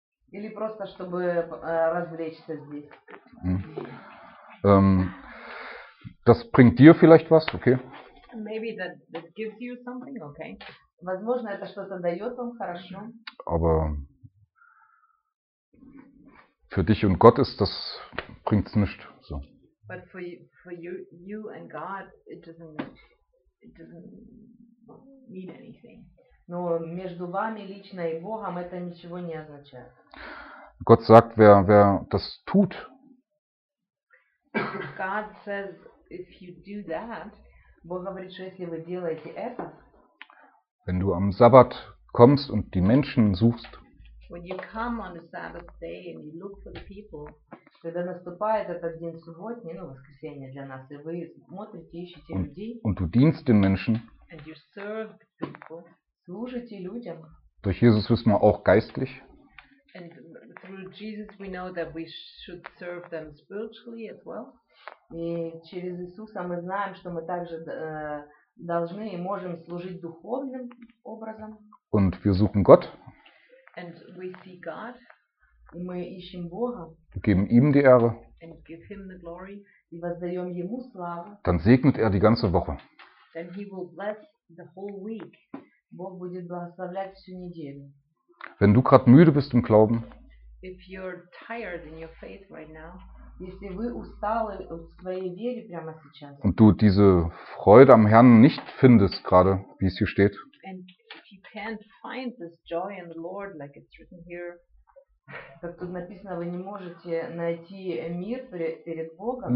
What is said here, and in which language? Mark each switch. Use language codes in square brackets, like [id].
[ru] Или просто чтобы развлечься здесь. [de] Das bringt dir vielleicht was, okay? [en] Maybe that gives you something, okay? [ru] Возможно, это что-то дает вам хорошо. [de] Aber für dich und Gott ist das bringt's nicht so. [en] But for you and God, it doesn't mean anything. [ru] Но между вами лично и Богом это ничего не означает. [de] Gott sagt, wer das tut. [en] God says, if you do that, [ru] Бог говорит, что если вы делаете это, [de] wenn du am Sabbat kommst und die Menschen suchst. [en] When you come on the Sabbath day and you look for the people. [ru] Когда наступает этот день субботний, ну, воскресенье для нас, и вы смотрите, ищете людей. [de] Und du dienst den Menschen. [en] And you serve people. [ru] Служите людям. [de] Durch Jesus wissen wir auch geistlich. [en] And through Jesus we know that we should serve them spiritually as well. [ru] И через Иисуса мы знаем, что мы также должны и можем служить духовным образом. [de] Und wir suchen Gott. [en] And we see God. [ru] И мы ищем Бога. [de] Geben ihm die Ehre. [en] And give him the glory. [ru] И воздаем ему славу. [de] Dann segnet die ganze Woche. [en] Then he will bless the whole week. [ru] Бог будет благословлять всю неделю. [de] Wenn du gerade müde bist im Glauben, [en] if you're tired in your faith right now, [ru] если вы устали в своей вере прямо сейчас, [de] und du diese Freude am Herrn nicht findest gerade, wie es hier steht, [en] and if you can't find this joy in the Lord like it's written here, [ru] как тут написано, вы не можете найти мир перед Богом,